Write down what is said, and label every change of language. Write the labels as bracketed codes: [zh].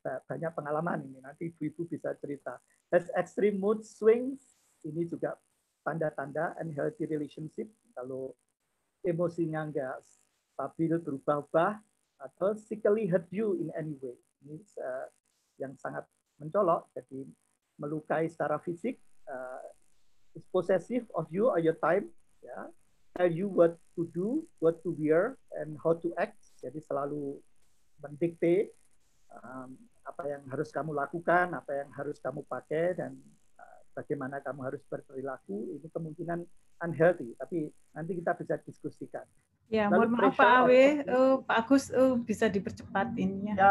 [id] Banyak pengalaman ini, nanti ibu-ibu bisa cerita. [en] That's extreme mood swings, [id] ini juga tanda-tanda [en] unhealthy relationship. [id] Kalau emosinya enggak stabil, berubah-ubah, atau [en] physically hurt you in any way. [id] Ini yang sangat mencolok, jadi melukai secara fisik. [en] It's possessive of you or your time. Yeah. Tell you what to do, what to wear, and how to act. [id] Jadi selalu mendikte apa yang harus kamu lakukan, apa yang harus kamu pakai, dan bagaimana kamu harus berperilaku, ini kemungkinan unhealthy. Tapi nanti kita bisa diskusikan. Ya, lalu mohon maaf Pak Awe, Pak Agus bisa dipercepat ininya.